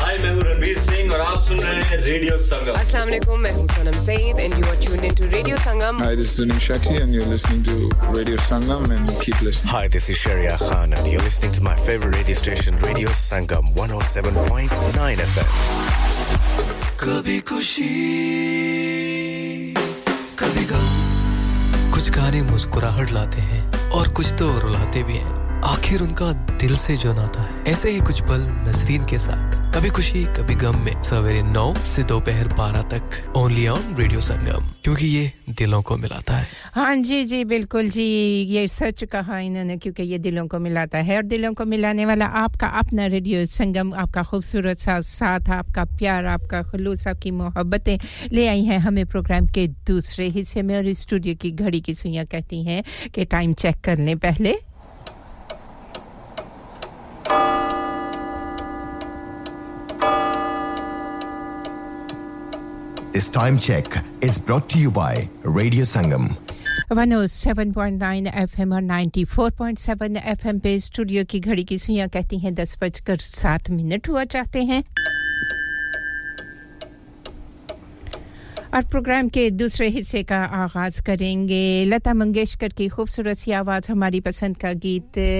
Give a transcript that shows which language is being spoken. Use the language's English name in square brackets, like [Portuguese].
[Hindi] Hi, main hu Ranveer Singh, aur aap sun rahe hain Radio Sangam. [English] Assalamu alaikum, [Hindi] main hu [English] Sanam Saeed, and you are tuned into Radio Sangam. Hi, this is Zunin Shetty, and you're listening to Radio Sangam, and keep listening. Hi, this is Sharia Khan, and you're listening to my favorite radio station, Radio Sangam 107.9 FM. [Hindi] कभी खुशी कभी गम कुछ गाने मुस्कुराहट लाते हैं और कुछ तो रुलाते भी हैं आखिर उनका दिल से जो नाता है ऐसे ही कुछ पल नसरीन के साथ कभी खुशी कभी गम में सवेरे 9 से दोपहर 12 तक [English] only on [Hindi] रेडियो संगम क्योंकि ये दिलों को मिलाता है हां जी जी बिल्कुल जी ये सच कहा इन्होंने क्योंकि ये दिलों को मिलाता है और दिलों को मिलाने वाला आपका अपना रेडियो संगम आपका खूबसूरत सा साथ आपका प्यार आपका खलुस आपकी मोहब्बतें ले आई हैं हमें प्रोग्राम के दूसरे हिस्से में और स्टूडियो की घड़ी की सुइयां कहती हैं कि टाइम चेक कर लें पहले [English] This time check is brought to you by Radio Sangam. [Hindi] 107.9 FM और 94.7 FM पे स्टूडियो की घड़ी की सुइयां कहती हैं 10:07 हुआ चाहते हैं और प्रोग्राम के दूसरे हिस्से का आगाज करेंगे लता मंगेशकर की खूबसूरत सी आवाज हमारी पसंद का गीत